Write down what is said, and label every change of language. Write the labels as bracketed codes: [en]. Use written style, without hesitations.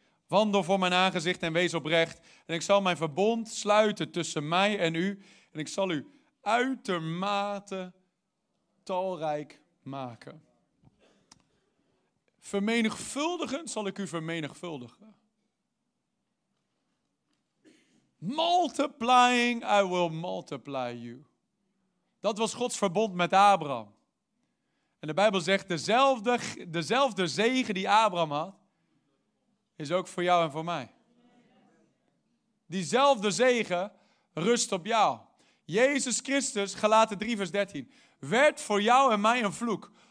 [nl] Wandel voor mijn aangezicht en wees oprecht. En ik zal mijn verbond sluiten tussen mij en u. En ik zal u uitermate talrijk maken. Vermenigvuldigen zal ik u vermenigvuldigen. [en] Multiplying, I will multiply you. [nl] Dat was Gods verbond met Abraham. En de Bijbel zegt, dezelfde zegen die Abraham had, is ook voor jou en voor mij. Diezelfde zegen rust op jou. Jezus Christus, Galaten 3 vers 13, werd voor jou en mij een vloek.